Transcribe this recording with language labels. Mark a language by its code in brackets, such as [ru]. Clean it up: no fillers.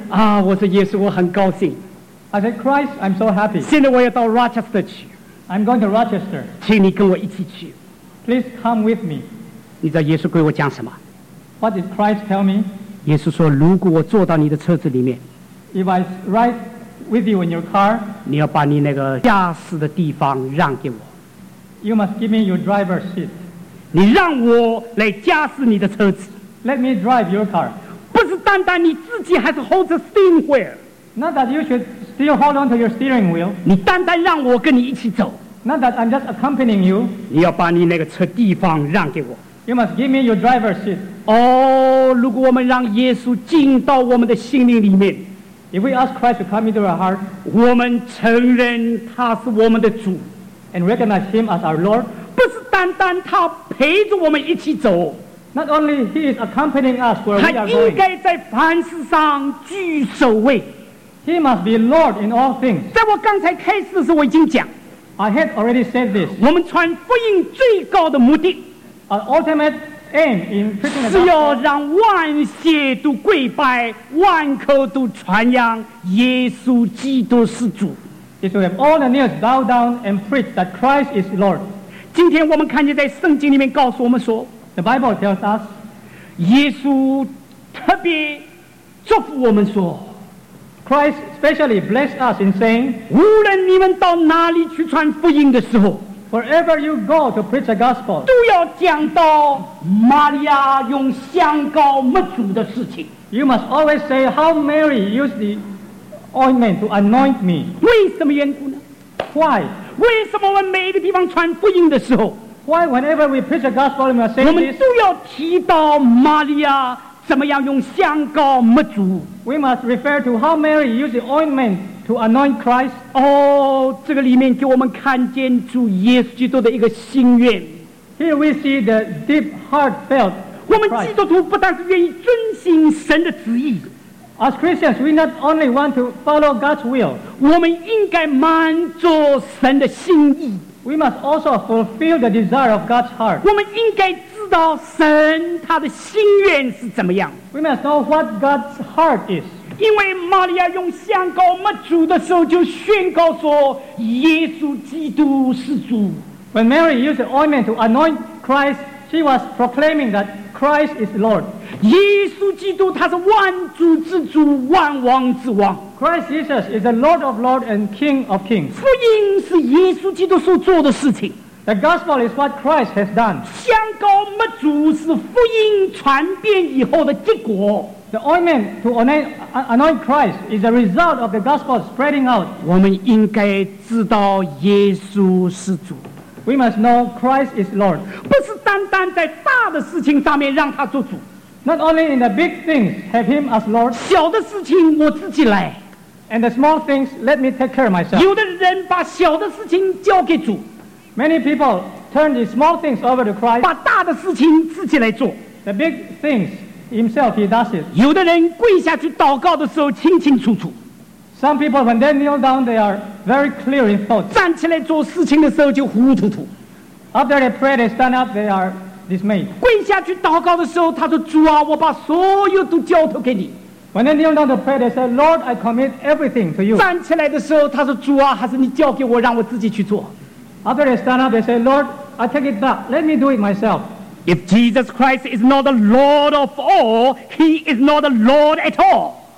[zh] 啊，我说耶稣，我很高兴。 [en] I said, Christ, I'm so happy. [zh] 现在我要到 Rochester 去。 [en] I'm going to Rochester. [zh] 请你跟我一起去。 [en] Please come with me. [zh] 你知道耶稣跟我讲什么？ [en] What did Christ tell me? [zh] 耶稣说，如果我坐到你的车子里面， [en] If I ride with you in your car, [zh] 你要把你那个驾驶的地方让给我。 [en] You must give me your driver's seat. [zh] 你让我来驾驶你的车子。 [en] Let me drive your car. [zh] 不是单单你自己还是 [en] hold the steering wheel. Not that you should still hold on to your steering wheel. [zh] 你单单让我跟你一起走。 [en] Not that I'm just accompanying you. [zh] 你要把你那个车地方让给我。 [en] You must give me your driver's seat. [zh] 哦，如果我们让耶稣进到我们的心灵里面， [en] If we ask Christ to come into our heart, [zh] 我们承认他是我们的主， [en] and recognize him as our Lord, [zh] 不是单单他陪着我们一起走。 [en] Not only he is accompanying us where we are going. [zh] 他应该在凡事上居首位。 [en] He must be Lord in all things. [zh] 在我刚才开始的时候我已经讲， [en] I had already said this. [zh] 我们传福音最高的目的， [en] Our ultimate aim in preaching the gospel, [zh] 是要让万血都跪拜，万口都传扬耶稣基督是主， [en] is to have all the knees bow down and preach that Christ is Lord. [zh] 今天我们看见在圣经里面告诉我们说， [en] The Bible tells us, [zh] 耶稣特别祝福我们说， [en] Christ specially blessed us in saying, [zh] 无论你们到哪里去传福音的时候， [en] wherever you go to preach the gospel, [zh] 都要讲到玛利亚用香膏抹主的事情。 [en] You must always say how Mary used the ointment to anoint me. [zh] 为什么缘故呢？ [en] Why? [zh] 为什么我们每一个地方传福音的时候， [en] Why whenever we preach the gospel, we must say this? [zh] 我们都要提到玛利亚怎么样用香膏抹主？ [en] We must refer to how Mary used the ointment to anoint Christ. [zh] 哦，这个里面给我们看见主耶稣基督的一个心愿。 [en] Here we see the deep heartfelt. [zh] 我们基督徒不但是愿意遵行神的旨意。 [en] As Christians, we not only want to follow God's will. [zh] 我们应该满足神的心意。 [en] We must also fulfill the desire of God's heart. [zh] 我们应该知道神他的心愿是怎么样。 [en] We must know what God's heart is. [zh] 因为玛利亚用香膏抹主的时候就宣告说耶稣基督是主。 [en] When Mary used the ointment to anoint Christ, she was proclaiming that Christ is Lord. [zh] 耶稣基督他是万主之主，万王之王。 [en] Christ Jesus is the Lord of Lords and King of Kings. [zh] 福音是耶稣基督所做的事情。 [en] The gospel is what Christ has done. [zh] 香膏抹主是福音传遍以后的结果。 [en] The ointment to anoint Christ is the result of the gospel spreading out. [zh] 我们应该知道耶稣是主。 [en] We must know Christ is Lord. [zh] 不是单单在大的事情上面让他做主。 [en] Not only in the big things have him as Lord. [zh] 小的事情我自己来。 [en] And the small things let me take care of myself. [zh] 有的人把小的事情交给主。 [en] Many people turn the small things over to Christ. [zh] 把大的事情自己来做。 [en] The big things himself he does it. [zh] 有的人跪下去祷告的时候清清楚楚。 [en] Some people when they kneel down they are very clear in thought. [zh] 站起来做事情的时候就糊糊涂涂。 [en] After they pray they stand up they are dismayed. [zh] 跪下去祷告的时候他说主啊我把所有都交托给你。 [en] When they kneel down to pray they say Lord I commit everything to you. [zh] 站起来的时候他说主啊还是你交给我让我自己去做。 [en] After they stand up, they say, Lord, I take it back. Let me do it myself. If Jesus Christ is not the Lord of all, he is not the Lord at all.